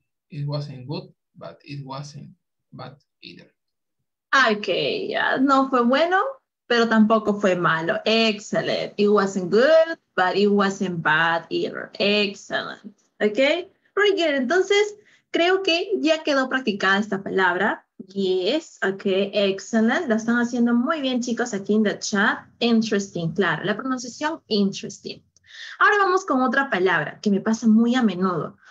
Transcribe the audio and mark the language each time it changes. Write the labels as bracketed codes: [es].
[en] It wasn't good, but it wasn't bad either. [es] Okay, no fue bueno, pero tampoco fue malo. [en] Excellent. It wasn't good, but it wasn't bad either. Excellent. Okay, very good. [es] Entonces, creo que ya quedó practicada esta palabra. [en] Yes, okay, excellent. [es] Lo están haciendo muy bien, chicos, aquí en el chat. Interesting, claro. La pronunciación, interesting. Ahora vamos con otra palabra que me pasa muy a menudo.